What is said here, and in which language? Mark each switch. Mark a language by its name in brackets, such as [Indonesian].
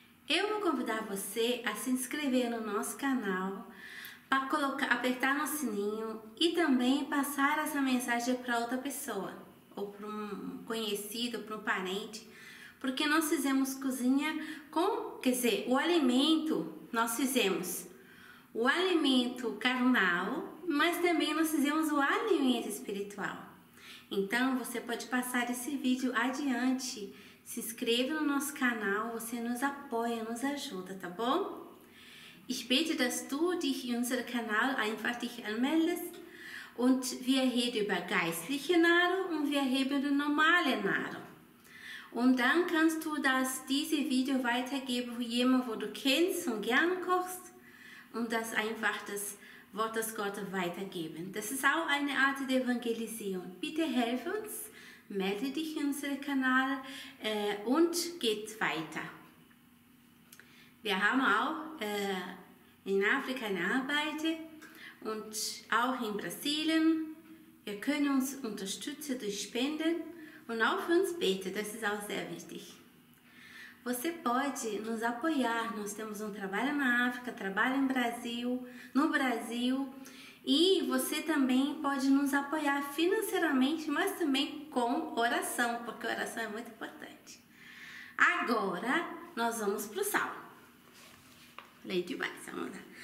[Portuguese] Eu vou convidar você a se inscrever no nosso canal, para colocar, apertar no sininho e também passar essa mensagem para outra pessoa, ou para um conhecido, para um parente, porque nós fizemos cozinha com, quer dizer, o alimento, nós fizemos o alimento carnal, mas também nós fizemos o alimento espiritual. Então, você pode passar esse vídeo adiante. Se inscreva no nosso canal, você nos apoia, nos ajuda, tá bom? [German] Ich bitte, dass du dich in unser Kanal einfach dich anmeldest und wir reden über geistliche Nahrung und wir reden über normale Nahrung. Und dann kannst du das diese Video weitergeben, jemand, wo du kennst und gern kochst und das einfach das Wort des Gottes weitergeben. Das ist auch eine Art der Evangelisierung. Bitte helf uns. Melde dich in unserem Kanal und geht weiter. Wir haben auch in Afrika eine Arbeit und auch in Brasilien. Wir können uns unterstützen durch Spenden und auch für uns beten. Das ist auch sehr wichtig. [Portuguese] Você pode nos apoiar. Nós temos um trabalho na África, trabalho em Brasil, no Brasil. E você também pode nos apoiar financeiramente, mas também com oração, porque oração é muito importante. Agora nós vamos para o sal. Leio demais, vamos lá.